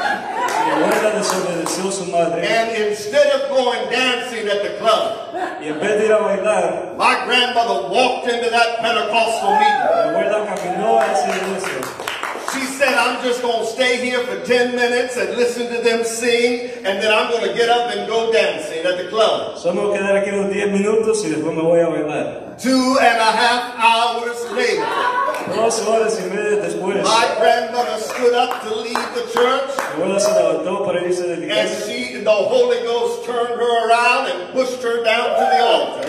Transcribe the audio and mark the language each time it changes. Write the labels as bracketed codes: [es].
[en] And instead of going dancing at the club, [es] y en vez de ir a bailar, [en] my grandmother walked into that Pentecostal meeting. [es] La caminó a ese inicio. [en] She said, "I'm just going to stay here for 10 minutes and listen to them sing, and then I'm going to get up and go dancing at the club." [es] Solo voy a quedar aquí unos 10 minutos y después me voy a bailar. [en] 2.5 hours later, [es] 2 horas y media después, [en] my grandmother stood up to leave the church. [es] Se para irse de [en] and she, the Holy Ghost turned her around and pushed her down to the altar.